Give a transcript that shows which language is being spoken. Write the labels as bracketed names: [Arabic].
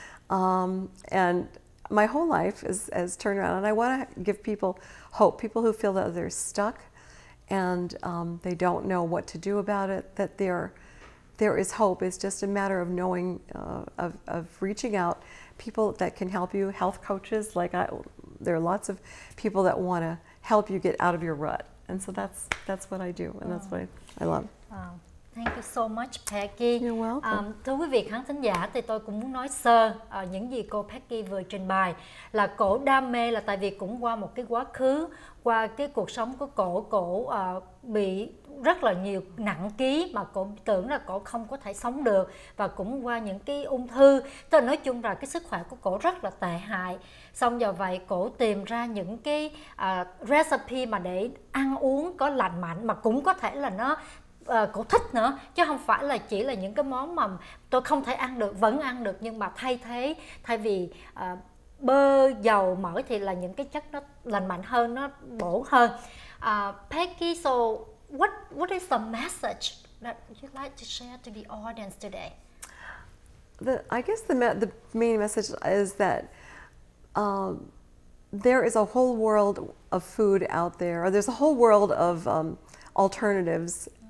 [English] And my whole life has turned around, and I want to give people hope, people who feel that they're stuck and they don't know what to do about it, that there is hope. It's just a matter of knowing, of reaching out. People that can help you, health coaches, there are lots of people that want to help you get out of your rut. And so that's what I do, and that's what I love. Thank you so much, Peggy. You're welcome. [Vietnamese] Thưa quý vị khán thính giả, thì tôi cũng muốn nói sơ những gì cô Peggy vừa trình bày là cổ đam mê là tại vì cũng qua một cái quá khứ, qua cái cuộc sống của cổ bị rất là nhiều nặng ký mà cổ tưởng là cổ không có thể sống được, và cũng qua những cái ung thư. Tôi nói chung là cái sức khỏe của cổ rất là tệ hại. Xong do vậy cổ tìm ra những cái recipe mà để ăn uống có lành mạnh mà cũng có thể là nó cổ thích nữa, chứ không phải là chỉ là những cái món mà tôi không thể ăn được, vẫn ăn được, nhưng mà thay vì bơ, dầu, mỡ thì là những cái chất nó lành mạnh hơn, nó bổ hơn. [English] Peggy, so what is the message that you'd like to share to the audience today? I guess the main message is that there is a whole world of food out there, or there's a whole world of alternatives.